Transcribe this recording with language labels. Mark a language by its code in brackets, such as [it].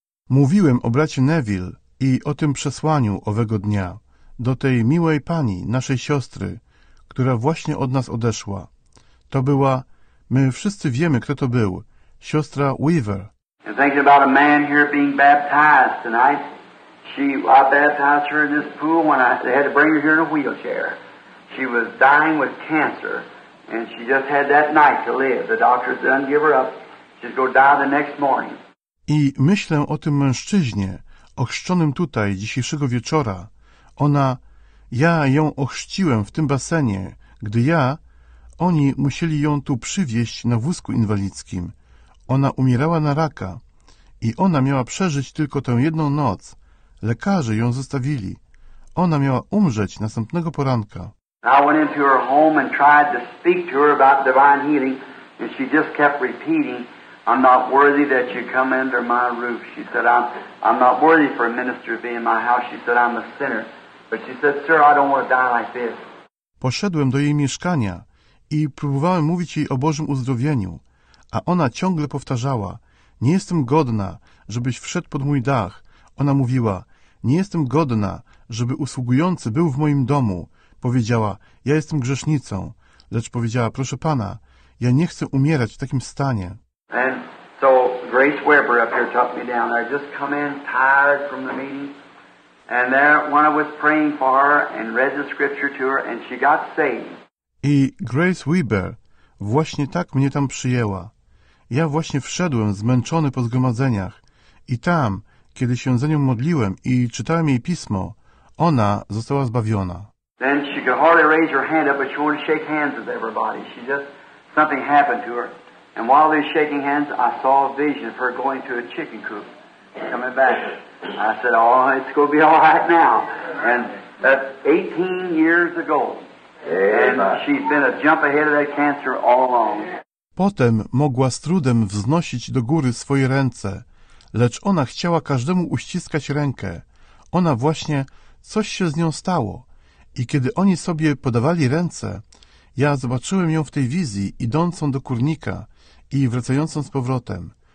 [pl] Mówiłem o bracie Neville i o tym przesłaniu owego dnia do tej miłej pani, naszej siostry, która właśnie od nas odeszła. To była, my wszyscy wiemy, kto to był, siostra Weaver. [en] And thinking about a man here being baptized tonight, I baptized her in this pool when they had to bring her here in a wheelchair. She was dying with cancer, and she just had that night to live. The doctors didn't give her up. She's going to die the next morning. [pl] I myślę o tym mężczyźnie, ochrzczonym tutaj dzisiejszego wieczora. Ona, ja ją ochrzciłem w tym basenie, gdy ja, oni musieli ją tu przywieźć na wózku inwalidzkim. Ona umierała na raka i ona miała przeżyć tylko tę jedną noc. Lekarze ją zostawili. Ona miała umrzeć następnego poranka. [en] I went into her home and tried to speak to her about divine healing and she just kept repeating, I'm not worthy that you come under my roof. She said, I'm not worthy for a minister to be in my house. She said, I'm a sinner. But she said, sir, I don't want to die like this. [pl] Poszedłem do jej mieszkania i próbowałem mówić jej o Bożym uzdrowieniu. A ona ciągle powtarzała, nie jestem godna, żebyś wszedł pod mój dach. Ona mówiła, nie jestem godna, żeby usługujący był w moim domu. Powiedziała, ja jestem grzesznicą. Lecz powiedziała, proszę Pana, ja nie chcę umierać w takim stanie. [en] And so Grace Weber up here took me down. I just come in tired from the meeting. And there when I was praying for her and read the scripture to her and she got saved. [pl] I Grace Weber właśnie tak mnie tam przyjęła. Ja właśnie wszedłem zmęczony po zgromadzeniach i tam, kiedy się za nią modliłem i czytałem jej pismo, ona została zbawiona. [en] Then she could hardly raise her hand up, but she wanted to shake hands with everybody. She just, something happened to her. And while they were shaking hands, I saw a vision of her going to a chicken coop and coming back. I said, oh, it's going to be all right now. And that's 18 years ago. And she's been a jump ahead of that cancer all along. [pl] Potem mogła z trudem wznosić do góry swoje ręce, lecz ona chciała każdemu uściskać rękę. Ona właśnie coś się z nią stało i kiedy oni sobie podawali ręce, ja zobaczyłem ją w tej wizji idącą do kurnika i wracającą z powrotem.